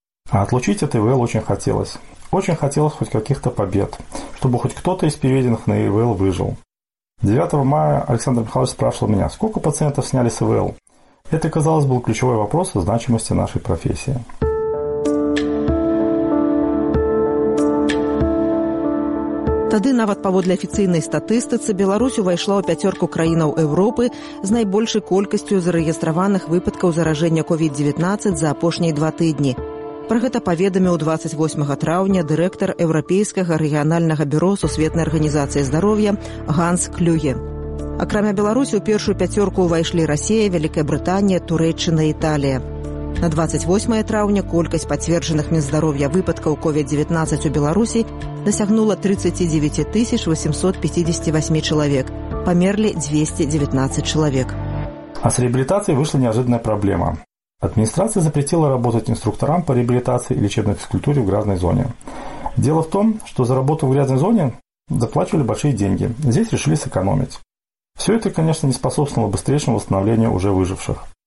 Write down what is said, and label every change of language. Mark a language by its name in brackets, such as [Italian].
[Russian] А отлучить от ИВЛ очень хотелось. Очень хотелось хоть каких-то побед, чтобы хоть кто-то из переведенных на ИВЛ выжил. 9 мая Александр Михайлович спрашивал меня, сколько пациентов сняли с ИВЛ. Это, казалось, был ключевой вопрос о значимости нашей профессии. [Belarusian] Тады нават паводле афіцыйнай статыстыцы Беларусь увайшла ў пяцёрку краінаў Еўропы з найбольшай колькасцю зарэгістраваных выпадкаў заражэння COVID-19 за апошнія 2 тыдні. Пра гэта паведаміў 28 траўня дырэктар еўрапейскага рэгіянальнага бюро сусветнай арганізацыі здароўя Ганс Клюге. Акрамя Беларусі ў першую пяцёрку ўвайшлі Расія, Вялікая Брытанія, Турэччына і Італія. На 28 траўня колькасць пацверджаных міндздароўя выпадкаў COVID-19 у Беларусі дасягнула 39858 чалавек. Памерлі 219 чалавек. [Russian] А с реабилитацией вышла неожиданная проблема. Администрация запретила работать инструкторам по реабилитации и лечебной физкультуре в грязной зоне. Дело в том, что за работу в грязной зоне заплачивали большие деньги. Здесь решили сэкономить. Все это, конечно, не способствовало быстрейшему восстановлению уже выживших.